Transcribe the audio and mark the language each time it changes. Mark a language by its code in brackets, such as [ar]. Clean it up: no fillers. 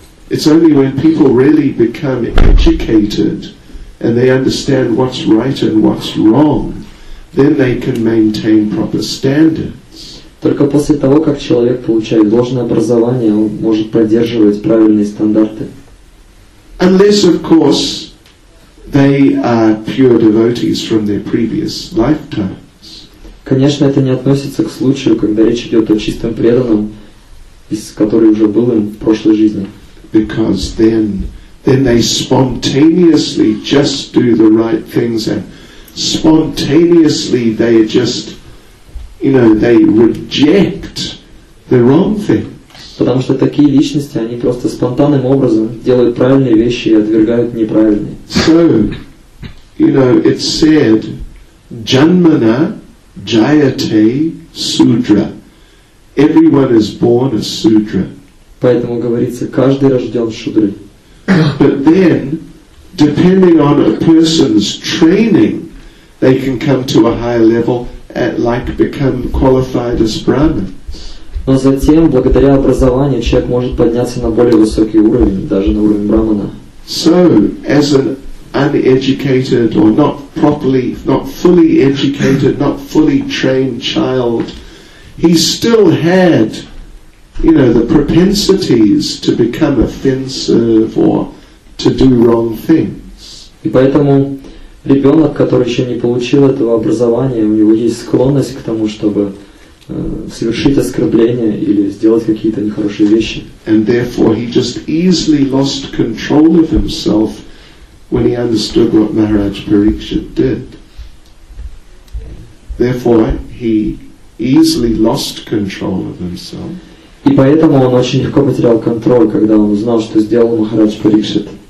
[en] It's only when people really become educated and they understand what's right and what's wrong, then they can maintain proper standards. [ru] Только после того, как человек получает должное образование, он может поддерживать правильные стандарты. [en] Unless, of course, they are pure devotees from their previous lifetimes. [ru] Конечно, это не относится к случаю, когда речь идет о чистом преданном, из которого уже был им в прошлой жизни. [en] Because then they spontaneously just do the right things, and spontaneously they just, you know, they reject the wrong things. [ru] Потому что такие личности, они просто спонтанным образом делают правильные вещи и отвергают неправильные. [en] So, you know, it's said, [sa] Janmana Jayate Sudra. [en] Everyone is born a Sudra. [ru] Поэтому говорится, каждый рожден шудрой. [en] But then, depending on a person's training, they can come to a higher level and like become qualified as brahmins. [ru] Но затем, благодаря образованию, человек может подняться на более высокий уровень, даже на уровень брахмана. [en] So, as an uneducated or not properly, not fully educated, not fully trained child, he still had, you know, the propensities to become offensive or to do wrong things. [ru] И поэтому ребенок, который еще не получил этого образования, у него есть склонность к тому, чтобы совершить оскорбление или сделать какие-то нехорошие вещи. [en] And therefore he just easily lost control of himself when he understood what Maharaj Parikshit did. Therefore, he easily lost control of himself. [ru] И поэтому он очень легко потерял контроль, когда он узнал, что сделал Махарадж Парикшит.